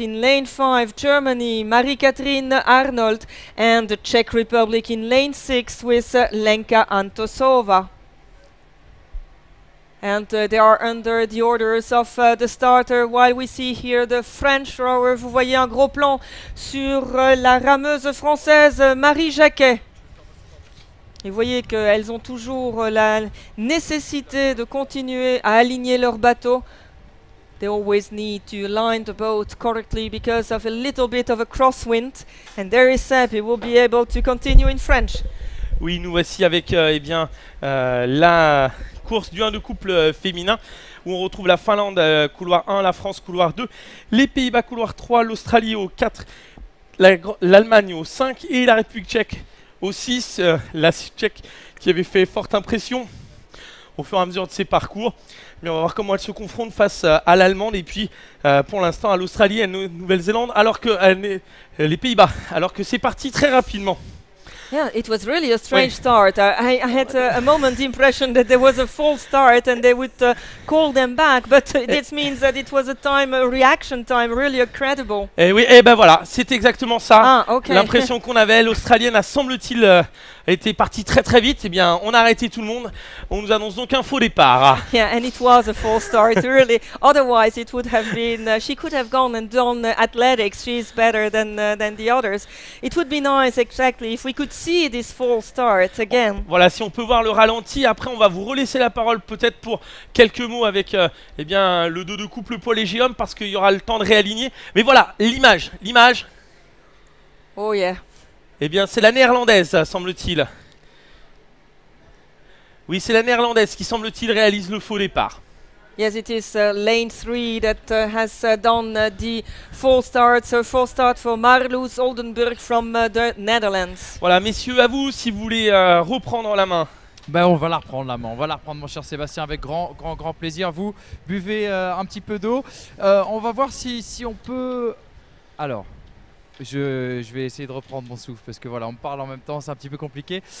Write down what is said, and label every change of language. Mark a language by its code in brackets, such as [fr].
[en] In lane 5, Germany, Marie-Catherine Arnold. And the Czech Republic in lane 6 with Lenka Antosova. And they are under the orders of the starter, while we see here the French rower. [fr] Vous voyez un gros plan sur la rameuse française, Marie Jacquet. Et vous voyez qu'elles ont toujours la nécessité de continuer à aligner leur bateau. [en] They always need to line the boat correctly because of a little bit of a crosswind. And there is Seb, he will be able to continue in French. [fr] Oui, nous voici avec la course du 1 de couple féminin, où on retrouve la Finlande couloir 1, la France couloir 2, les Pays-Bas couloir 3, l'Australie au 4, l'Allemagne au 5 et la République tchèque. Au 6, la Tchèque qui avait fait forte impression au fur et à mesure de ses parcours. Mais on va voir comment elle se confronte face à l'Allemande et puis pour l'instant à l'Australie et à la Nouvelle-Zélande, alors que les Pays-Bas, alors que c'est parti très rapidement. [en] Yeah, it was really a strange start. I had a moment the impression that there was a false start and they would call them back, but this means that it was a time, a reaction time, really incredible. [fr] Et oui, et ben voilà, c'est exactement ça. [en] Ah, okay. [fr] L'impression qu'on avait, l'Australienne a semble-t-il été partie très très vite. Eh bien, on a arrêté tout le monde. On nous annonce donc un faux départ. [en] Yeah, and it was a false start, really. Otherwise, it would have been, she could have gone and done athletics. She's better than the others. It would be nice, exactly, if we could see this false start again. [fr] Voilà, si on peut voir le ralenti, après on va vous relaisser la parole peut-être pour quelques mots avec eh bien, le dos de couple poil et géum parce qu'il y aura le temps de réaligner. Mais voilà, l'image. [en] Oh yeah. [fr] Eh bien, c'est la néerlandaise, semble-t-il. Oui, c'est la néerlandaise qui, semble-t-il, réalise le faux départ. [en] Yes, it is lane 3 that has done the false start. So, false start for Marloes Oldenburg from the Netherlands. [fr] Voilà, messieurs, à vous si vous voulez reprendre la main. Ben, on va la reprendre la main. On va la reprendre, mon cher Sébastien, avec grand plaisir. Vous, buvez un petit peu d'eau. On va voir si on peut... Alors... Je vais essayer de reprendre mon souffle parce que voilà, on parle en même temps, c'est un petit peu compliqué.